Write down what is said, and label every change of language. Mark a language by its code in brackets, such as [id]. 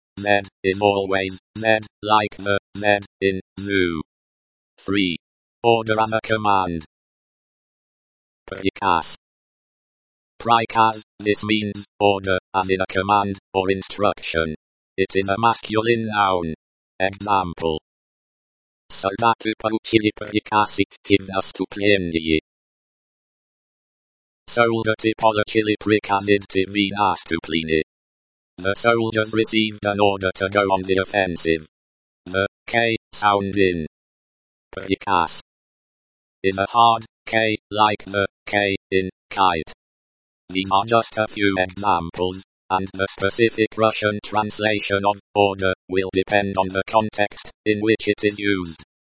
[en] Z is always z, like the z in zoo. 3. Order as a command. Приказ. Приказ, this means order, as in a command or instruction. It is a masculine noun. Example. [ru] Солдаты получили приказ идти в наступление. Солдаты получили приказ идти в наступление. [en] The soldiers received an order to go on the offensive. The K sound in приказ is a hard K, like the K in kite. These are just a few examples, and the specific Russian translation of order will depend on the context in which it is used.